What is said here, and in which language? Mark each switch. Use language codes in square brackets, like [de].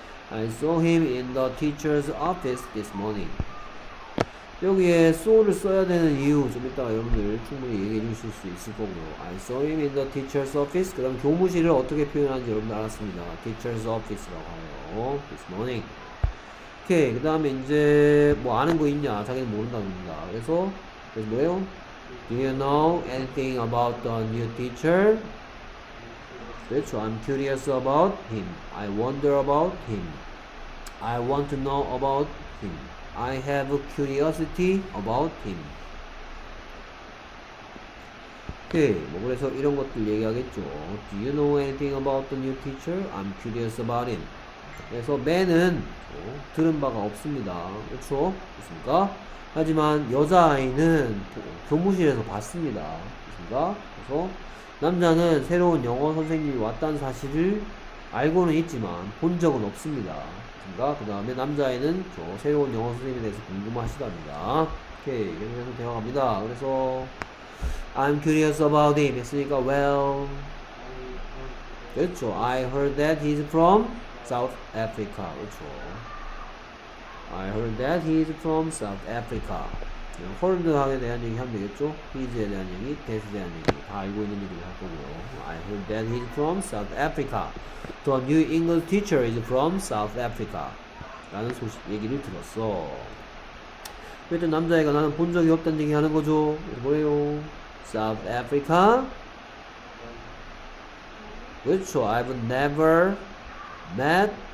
[en] I saw him in the teacher's office this morning. [ko] 여기에 saw를 써야 되는 이유 좀 이따가 여러분들 충분히 얘기해 주실 수 있을 거고요. [en] I saw him in the teacher's office. [ko] 그 다음 교무실을 어떻게 표현하는지 여러분들 알았습니다. [en] teacher's office [ko] 라고 하네요. [en] this morning. [ko] 오케이 그 다음에 이제 뭐 아는 거 있냐 자기는 모른답니다. 그래서 뭐예요? [en] Do you know anything about the new teacher? [ko] 그렇죠. [en] I'm curious about him. I wonder about him. I want to know about him. I have a curiosity about him. [ko] 오케이 뭐 그래서 이런 것들 얘기하겠죠. [en] Do you know anything about the new teacher? I'm curious about him. [ko] 그래서 맨은 들은 바가 없습니다. 그렇죠? 그렇습니까? 하지만 여자아이는 교무실에서 봤습니다. 그렇습니까? 그래서 남자는 새로운 영어 선생님이 왔다는 사실을 알고는 있지만 본 적은 없습니다. 그렇습니까? 그 다음에 남자아이는 저 새로운 영어 선생님에 대해서 궁금하시답니다. 오케이 계속해서 대화합니다. 그래서 [en] I'm curious about him [ko] 했으니까 [en] well [ko] 그렇죠? [en] I heard that he's from South Africa. [ko] 그렇죠? [en] I heard that he is from South Africa. [ko] Heard에 대한 얘기 하면 되겠죠? He's에 대한 얘기, that에 대한 얘기 다 알고 있는 얘기를 할 거고요. [en] I heard that he is from South Africa. The new English teacher is from South Africa. [ko] 라는 소식 얘기를 들었어. 그랬더니 남자애가 나는 본 적이 없다는 얘기 하는 거죠. 뭐예요? [en] South Africa. [ko] 그렇죠. [en] I've never met.